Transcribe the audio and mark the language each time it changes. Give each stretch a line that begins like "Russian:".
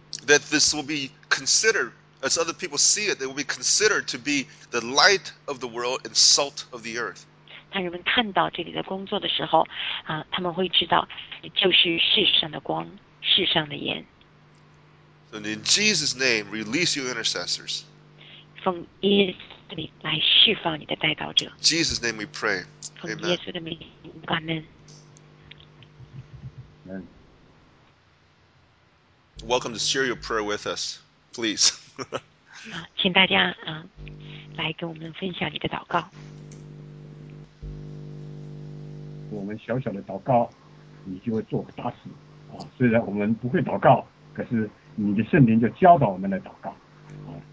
English: That this will be considered, as other people see it, they will be considered to be the light of the world and salt of the earth.
Chinese: 当人们看到这里的工作的时候，他们会知道，就是世上的光，世上的盐。
English: So in Jesus' name, release your intercessors.
Chinese: 奉耶稣的名来释放你的代祷者。
English: Jesus' name, we pray.
Chinese: 奉耶稣的名，阿门。嗯。
English: welcome to share your prayer with us, please.
Chinese: 请大家来跟我们分享你的祷告。我们小小的祷告，你就会做大事啊！虽然我们不会祷告，可是你的圣灵就教导我们来祷告啊！